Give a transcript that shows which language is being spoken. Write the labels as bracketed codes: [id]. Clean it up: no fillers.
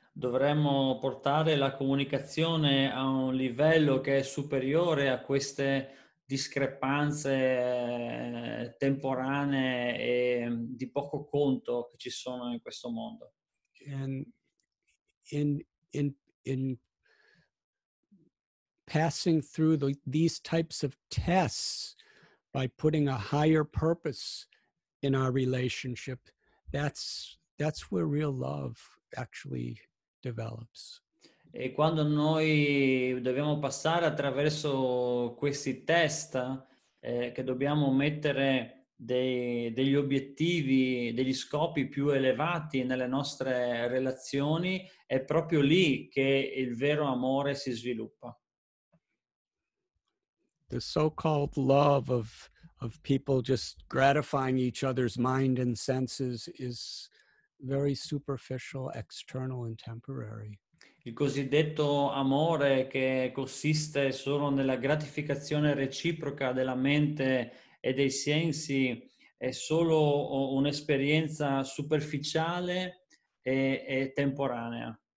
[it] Dovremmo portare la comunicazione a un livello che è superiore a queste discrepanze temporanee e di poco conto che ci sono in questo mondo. [en] And in passing through these types of tests by putting a higher purpose in our relationship, that's where real love actually develops. [it] E quando noi dobbiamo passare attraverso questi test, che dobbiamo mettere degli obiettivi, degli scopi più elevati nelle nostre relazioni, è proprio lì che il vero amore si sviluppa. [en] The so-called love of people just gratifying each other's mind and senses is very superficial, external, and temporary. [it] Il cosiddetto amore che consiste solo nella gratificazione reciproca della mente e dei sensi è solo un'esperienza superficiale e temporanea.